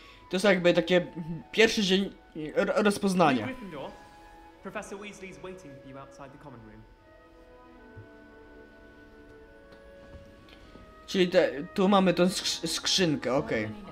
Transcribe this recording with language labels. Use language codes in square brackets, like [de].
[pl] To jest jakby takie pierwszy dzień rozpoznania. [en] Professor Weasley's waiting for you outside the common room. [pl] Czyli te, tu mamy tą skrzynkę, okej.